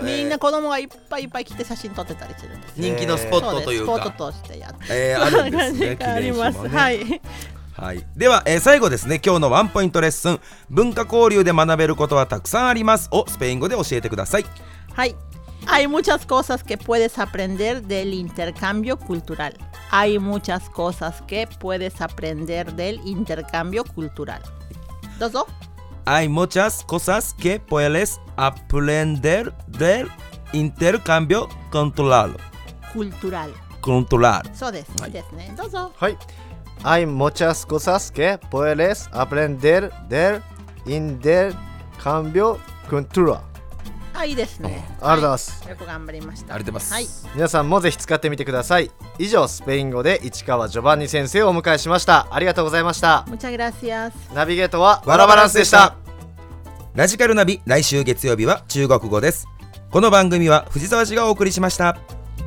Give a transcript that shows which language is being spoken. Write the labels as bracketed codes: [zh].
[ja] みんな子供がいっぱいいっぱい来て写真撮ってたりするんです。人気のスポットというか、スポットとしてやってる、あるんですね。あります。はい、はい、では、最後ですね、今日のワンポイントレッスン、文化交流で学べることはたくさんありますをスペイン語で教えてください。はい。 [es] Hay muchas cosas que puedes aprender del intercambio cultural. Hay muchas cosas que puedes aprender del intercambio cultural. [ja] どうぞ。 [es] Hay muchas cosas que puedes aprender del intercambio cultural. Cultural. Cultural. [ja] そうです、はい、ですね。どうぞ。はい。 [es] Hay muchas cosas que puedes aprender del intercambio cultural. [ja] あ、いいですね。ありがとうございます。よく頑張りました。ありがとうございます。はい。皆さんもぜひ使ってみてください。以上、スペイン語で市川ジョバンニ先生をお迎えしました。ありがとうございました。 [es] Muchas gracias. [ja] ナビゲートはワラバランスでした。ラジカルナビ、来週月曜日は中国語です。この番組は藤沢市がお送りしました。